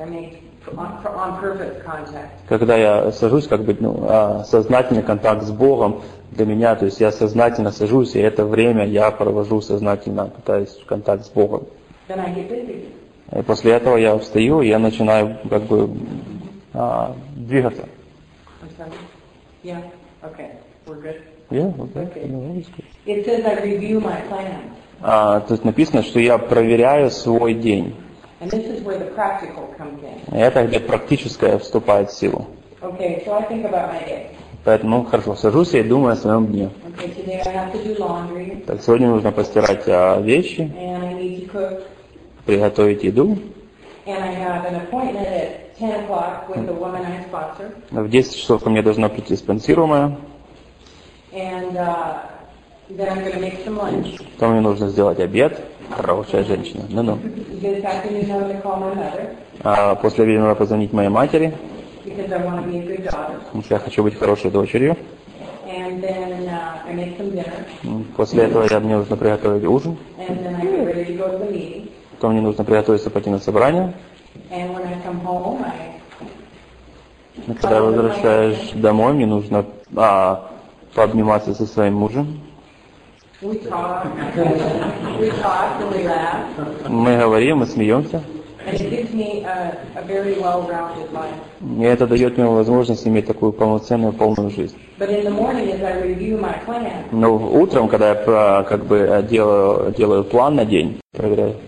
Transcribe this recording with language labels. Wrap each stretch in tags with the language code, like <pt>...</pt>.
<en>I make on purpose contact.</en> <ru>Когда я сажусь, как бы, ну, сознательный контакт с Богом для меня, то есть я сознательно сажусь, и это время я провожу сознательно, пытаясь в контакт с Богом.</ru> <en>Then I get busy.</en> <ru>И после этого я встаю, и я начинаю, как бы, двигаться.</ru> <en>I'm sorry. Yeah. Okay. We're good. Yeah, okay. It says I review my plans.</en> <ru>Тут написано, что я проверяю свой день.</ru> <en>And this is where the practical comes in.</en> <ru>Это где практическое вступает в силу.</ru> <en>Okay, so I think about my day.</en> <ru>Поэтому хорошо, сажусь я и думаю о своем дне.</ru> <en>Okay, today I have to do laundry.</en> <ru>Так, сегодня нужно постирать вещи.</ru> <en>And I need to cook.</en> <ru>Приготовить еду.</ru> <en>And I have an appointment at 10:00 with the woman I sponsor.</en> <ru>В 10 часов ко мне должна прийти спонсируемая.</ru> <en>Then I'm going to make some lunch.</en> <ru>Потом мне нужно сделать обед. Хорошая женщина. Ну-ну.</ru> <en>This afternoon I'm going to call my mother.</en> <ru>После обеда надо позвонить моей матери.</ru> <en>Because I want to be a good daughter.</en> <ru>Потому что я хочу быть хорошей дочерью.</ru> <en>And then I make some dinner.</en> <ru>После этого мне нужно приготовить ужин.</ru> <en>And then I get ready to go to the meeting.</en> <ru>Потом мне нужно приготовиться пойти на собрание.</ru> <en>And when I come home,</en> <ru>И когда возвращаешься домой, мне нужно пообниматься со своим мужем.</ru> <en>We talk and we laugh.</en> <ru>Мы говорим, мы смеемся.</ru> <en>And it gives me a very well-rounded life.</en> <ru>И это дает мне возможность иметь такую полноценную, полную жизнь.</ru> <en>But in the morning, as I review my plan,</en> <ru>Но утром, когда я как бы делаю план на день, проверяю.</ru>